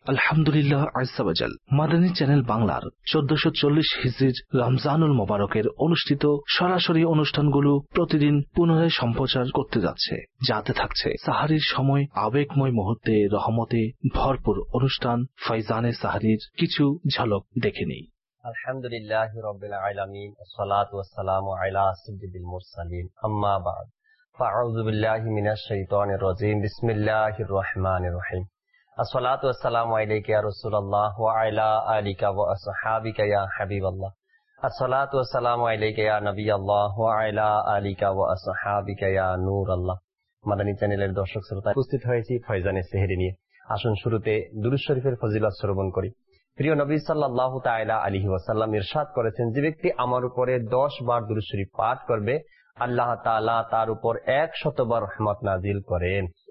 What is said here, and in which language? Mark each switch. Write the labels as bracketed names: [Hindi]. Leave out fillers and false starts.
[Bangla] আলহামদুলিল্লাহ আজসাবাজাল। মাদানী চ্যানেল বাংলার 1440 হিজরির রমজানুল মোবারকের অনুষ্ঠিত সরাসরি অনুষ্ঠানগুলো প্রতিদিন পুনরায় সম্প্রচার করতে যাচ্ছে। যাতে থাকছে সাহারির সময় আবেগময় মুহূর্তে রহমতে ভরপুর অনুষ্ঠান ফাইজানে সাহারির কিছু ঝলক দেখে নিই। আলহামদুলিল্লাহি রাব্বিল আলামিন, আসসালাতু ওয়াসসালামু আলা সাইয়্যিদিল মুরসালিন, আম্মা বাদ। [Arabic] أعوذ بالله من الشيطان الرجيم، بسم الله الرحمن الرحيم، الصلاة والسلام عليك يا رسول الله وعلى آلك وأصحابك يا حبيب الله، الصلاة والسلام عليك يا نبي الله وعلى آلك وأصحابك يا نور الله। [Bangla] মাদানী চ্যানেলের দর্শক শ্রোতা, উপস্থিত হয়েছি ফয়জানে সেহরি নিয়ে। আসুন শুরুতে দুরূদ শরীফের ফজিলত শ্রবণ করি। প্রিয় নবী সাল্লাল্লাহু তাআলা আলাইহি ওয়াসাল্লাম ইরশাদ করেছেন, যে ব্যক্তি আমার উপরে 10 বার দুরূদ শরীফ পাঠ করবে, আল্লাহ তাআলা তার উপর 100 বার রহমত নাযিল করেন।